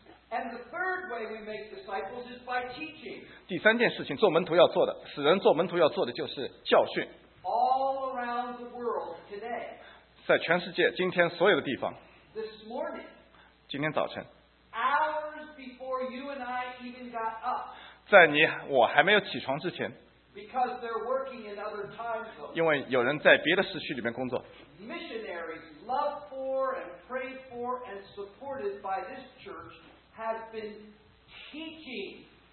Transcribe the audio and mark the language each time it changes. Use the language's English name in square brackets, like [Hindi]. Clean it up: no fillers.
[English] And the third way we make disciples is by teaching. [Chinese] 第三件事情做门徒要做的，使人做门徒要做的就是教训。 [English] All around the world today. [Chinese] 在全世界，今天所有的地方。 [English] This morning. [Chinese] 今天早晨。 [English] Hours before you and I even got up. [Chinese] 在我还没有起床之前， [English] because they're working in other time zones. [Chinese] 因为有人在别的时区里面工作。 [English] Missionaries loved for and prayed for and supported by this church have been teaching.